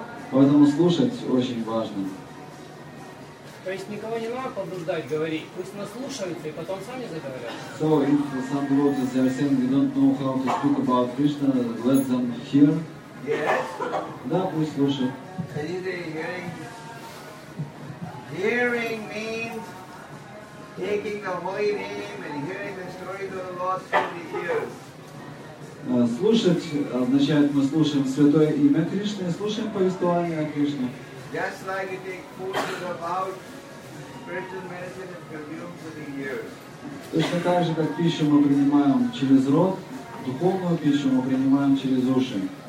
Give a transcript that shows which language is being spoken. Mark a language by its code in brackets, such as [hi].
[ru] Поэтому слушать очень важно. То есть никого не надо побуждать говорить, пусть наслушаются и потом сами заговорят. [en] So, if some devotees are saying we don't know how to speak about Krishna, let them hear. Yes. [ru] Да, пусть слушают. [en] And if they're hearing, means that they can understand taking the holy name and hearing the stories of the Lord through the ears. [ru] Слушать означает, мы слушаем святое имя Кришны, слушаем повествование о Кришне. [en] Just like you take food to the mouth, [ru] То есть такая же, как пищу мы принимаем через рот, духовную пищу мы принимаем через уши.